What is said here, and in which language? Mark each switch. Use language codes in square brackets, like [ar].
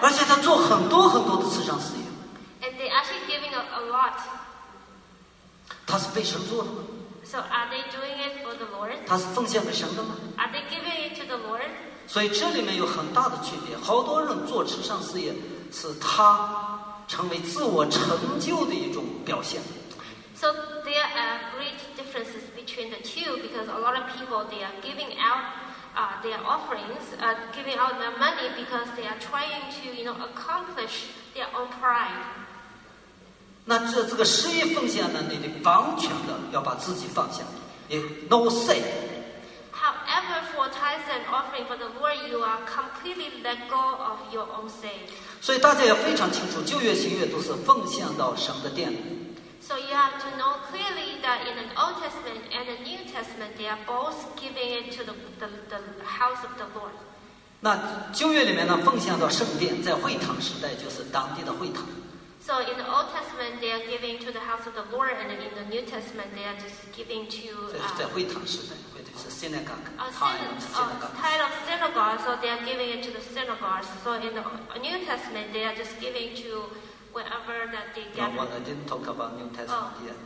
[zh] 而且他做很多很多的慈善事业。 [en] And they actually giving a lot. [zh] 他是为神做的吗？ [en] So are they doing it for the Lord? [zh] 他是奉献给神的吗？ [en] Are they giving it to the Lord? [zh] 所以这里面有很大的区别。好多人做慈善事业是他成为自我成就的一种表现。 [en] So there are great differences between the two because a lot of people they are giving out their offerings, giving out their money because they are trying to, you know, accomplish their own pride. [zh] 那这个事业奉献呢，你得完全的要把自己放下，也 [en] no self。 However, for tithes and offering for the Lord, you are completely let go of your own self. [zh] 所以大家也非常清楚，旧约新约都是奉献到神的殿里。 [en] So you have to know clearly that in the Old Testament and the New Testament, they are both giving it to the house of the Lord. [zh] 那旧约里面呢，奉献到圣殿，在会堂时代就是当地的会堂。 [en] So in the Old Testament, they are giving to the house of the Lord, and in the New Testament, they are just giving to. [zh] 在会堂时代，会堂是 synagogue. [en] Title of synagogue, so they are giving it to the synagogues. So in the New Testament, they are just giving to wherever that they get. No, I didn't talk about New Testament yet.